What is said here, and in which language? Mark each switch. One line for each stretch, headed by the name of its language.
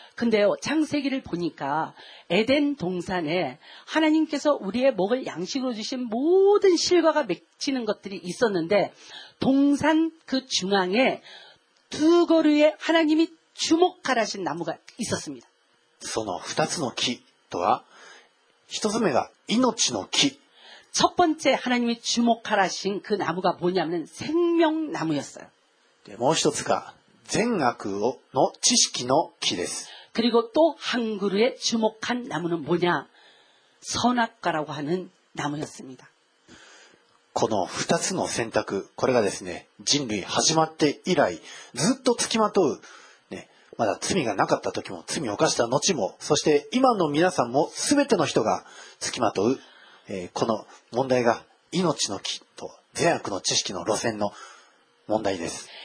Korean: 근데요창세기를보니까에덴동산에하나님께서우리의먹을양식으로주신모든실과가맺히는것들이있었는데동산그중앙에두거루에하나님이주목하라신나무가있었습니다
Japanese: その二つの木とは一つ目が命の木
Korean: 첫번째하나님이주목하라신그나무가뭐냐면생명나무였어요
Japanese: もう一つが善悪の知識の木です
Korean: 그리고또한그루에주목한나무는뭐냐선악과라고하는나무였습니다
Japanese: この二つの選択これがですね人類始まって以来ずっと付きまとう、ね、まだ罪がなかった時も罪を犯した後もそして今の皆さんも全ての人が付きまとうこの問題が命の木と善悪の知識の路線の問題です。